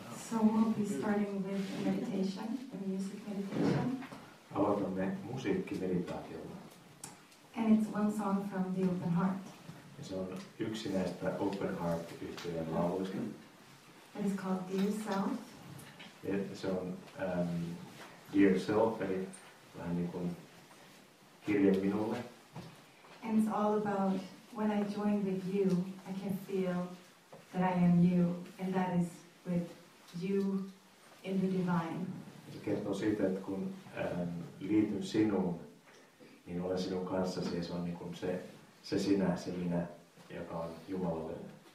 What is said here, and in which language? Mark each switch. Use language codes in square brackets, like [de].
[en] So we'll be starting with meditation, the music meditation. [fi] Aloitamme musiikkimeditaatiolla. [en] And it's one song from the Open Heart. [fi] Ja se on yksi näistä Open Heart-yhtyeen lauluista. [en] And it's called Dear Self. [fi] Ja se on Dear Self, eli vähän niin kuin kirje minulle. [en] And it's all about when I join with you, I can feel that I am you, and that is with you in the divine. [fi] Se kertoo siitä, että kun liityn sinuun, niin olen sinun kanssasi, ja se on niin kuin se sinä, se minä, joka on jumalallinen.